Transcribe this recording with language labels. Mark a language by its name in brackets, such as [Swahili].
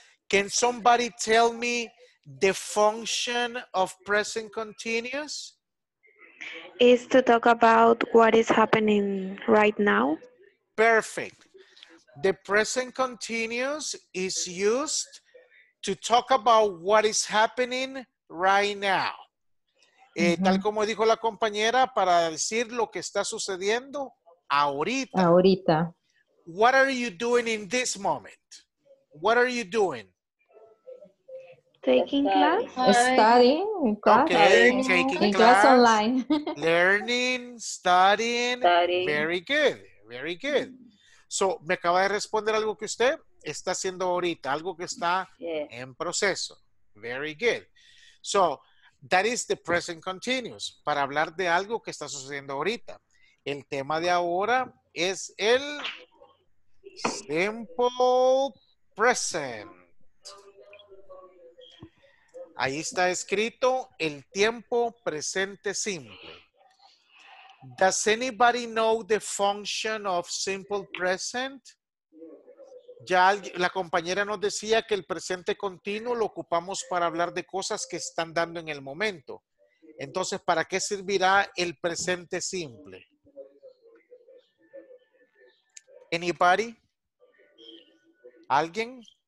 [English] Can somebody tell me the function of present continuous? Is to talk about what is happening right now. Perfect. The present continuous is used to talk about what is happening right now. [Spanish] Tal como dijo la compañera, para decir lo que está sucediendo ahorita. Ahorita. [English] What are you doing in this moment? What are you doing? Taking class. Studying. Okay, taking class online. Learning, studying. Studying. Very good, very good. [Spanish] So, me acaba de responder algo que usted está haciendo ahorita, algo que está en proceso. [English] Very good. So, that is the present continuous, [Spanish] para hablar de algo que está sucediendo ahorita. El tema de ahora es el simple present. Ahí está escrito el tiempo presente simple. Does anybody know the function of simple present? Ya la compañera nos decía que el presente continuo lo ocupamos para hablar de cosas que están dando en el momento. Entonces, ¿para qué servirá el presente simple? [English] Anybody? [Spanish] ¿Alguien?